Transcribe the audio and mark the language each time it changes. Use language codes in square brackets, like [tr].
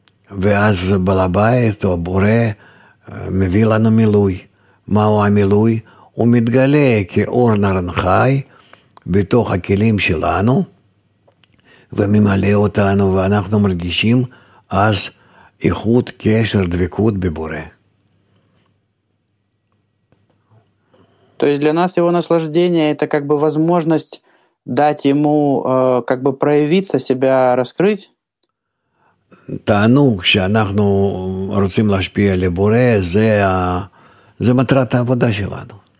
[he] ואז בעל הבית או בורא מביא לנו מילוי. מהו המילוי? הוא מתגלה כאור נרנחי בתוך הכלים שלנו, וממלא אותנו, ואנחנו מרגישים אז איכות, קשר, דבקות בבורא. [ru] То есть для нас его наслаждение это как бы возможность дать ему как бы проявиться себя, раскрыть. [he] תענוג שאנחנו רוצים להשפיע לבורא, זה מטרת העבודה שלנו.